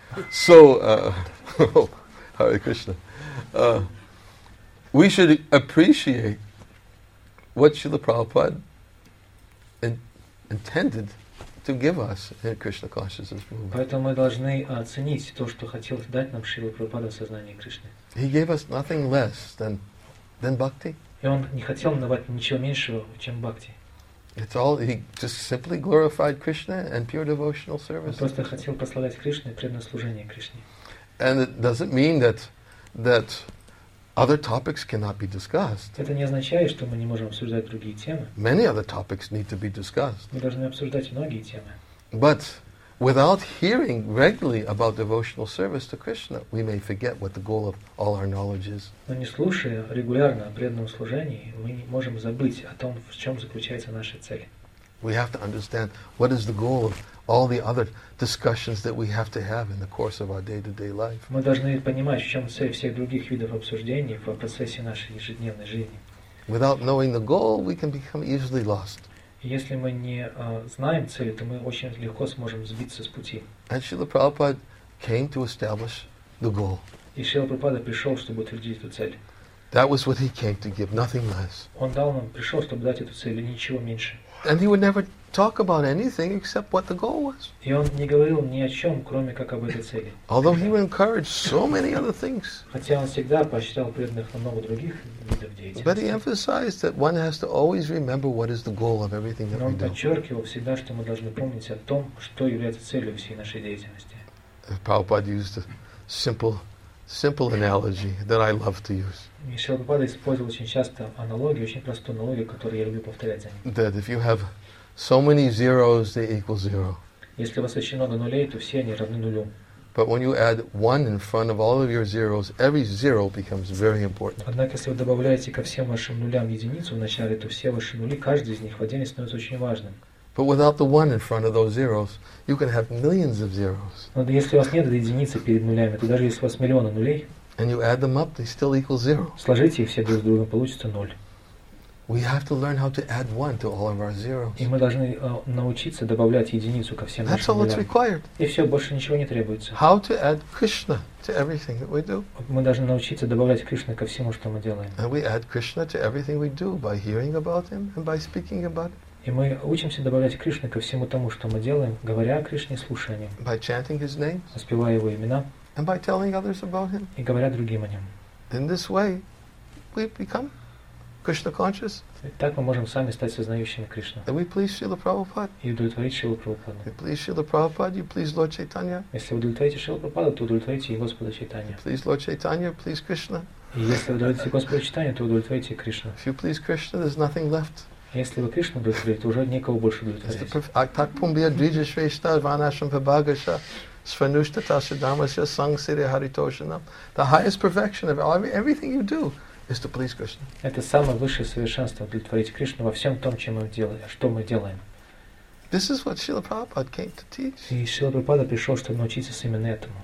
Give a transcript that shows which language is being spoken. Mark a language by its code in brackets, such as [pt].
[en] So, Hare Krishna, we should appreciate what Srila Prabhupada intended to give us in Krishna consciousness movement. [ru] Поэтому мы должны оценить то, что хотел дать нам Шрила Прабхупада в сознании Кришны. [en] He gave us nothing less than bhakti. [ru] И он не хотел нам давать ничего меньшего, чем бхакти. [en] It's all he just simply glorified Krishna and pure devotional service. [ru] Он просто хотел прославлять Кришну и преданное служение Кришне. [en] And it doesn't mean that other topics cannot be discussed. [ru] Это не означает, что мы не можем обсуждать другие темы. [en] Many other topics need to be discussed. [ru] Мы должны обсуждать многие темы. [en] But without hearing regularly about devotional service to Krishna, we may forget what the goal of all our knowledge is. [ru] Но не слушая регулярно о преданном служении, мы не можем забыть о том, в чем заключается наша цель. [en] We have to understand what is the goal of all the other discussions that we have to have in the course of our day-to-day life. [ru] Мы должны понимать, в чем цель всех других видов обсуждений в процессе нашей ежедневной жизни. [en] Without knowing the goal, we can become easily lost. [ru] Если мы не знаем цели, то мы очень легко сможем сбиться с пути. [en] And Srila Prabhupada came to establish the goal. [ru] И Шрила Прабхупада пришел, чтобы утвердить эту цель. [en] That was what he came to give, nothing less. [ru] Он дал нам, пришел, чтобы дать эту цель, ничего меньше. [en] And he would never talk about anything except what the goal was. [ru] И он не говорил ни о чем, кроме как об этой цели. [en] Although he would encourage so many other things. [ru] Хотя он всегда поощрял преданных на много других видов деятельности. [en] But he emphasized that one has to always remember what is the goal of everything that we do. [ru] Но он подчеркивал всегда, что мы должны помнить о том, что является целью всей нашей деятельности. [en] Prabhupada used a simple analogy that I love to use. [ru] Шрила Прабхупада использовал очень часто аналогию, очень простую аналогию, которую я люблю повторять за ним. [en] That if you have so many zeros, they equal zero. [ru] Если у вас очень много нулей, то все они равны нулю. [en] But when you add one in front of all of your zeros, every zero becomes very important. [ru] Однако, если вы добавляете ко всем вашим нулям единицу в начале, то все ваши нули, каждый из них в отдельности становится очень важным. [en] But without the one in front of those zeros, you can have millions of zeros. [ru] Но если у вас нет единицы перед нулями, то даже если у вас миллионы нулей, [en] and you add them up, they still equal zero. [ru] Сложите их все друг с другом, получится ноль. [en] We have to learn how to add one to all of our zeros. [ru] И мы должны научиться добавлять единицу ко всем. [en] That's all that's required. [ru] И все, больше ничего не требуется. [en] How to add Krishna to everything that we do? [ru] Мы должны научиться добавлять Кришну ко всему, что мы делаем. [en] And we add Krishna to everything we do by hearing about him and by speaking about him. [ru] И мы учимся добавлять Кришну ко всему тому, что мы делаем, говоря о Кришне, слушая о нем. [en] By chanting his names. [ru] Воспевая его имена. [en] And by telling others about him. [ru] И говоря другим о нем. [en] In this way, we become Krishna conscious. [ru] И так мы можем сами стать сознающими Кришну. [en] And we please Srila Prabhupada. [ru] И удовлетворить Шрилу Прабхупаду. [en] We please Srila Prabhupada, you please Lord Chaitanya. [ru] Если вы удовлетворите Шрилу Прабхупаду, то удовлетворите и Господа Чайтанья. [en] Please Lord Chaitanya, please Krishna. [ru] И если вы удовлетворите Господа Чайтанья, то удовлетворите Кришну. [en] If you please Krishna, there's nothing left. [ru] Если вы Кришну удовлетворите, то уже никого больше удовлетворяете. [sa] Svanushta Tasidamasya Sang Siri Haritoshanam. [en] The highest perfection of everything you do is to please Krishna. [ru] Это самое высшее совершенство удовлетворить Кришну во всем том, что мы делаем. [en] This is what Srila Prabhupada came to teach. [ru] И Шрила Прабхупада пришел, чтобы научиться именно этому.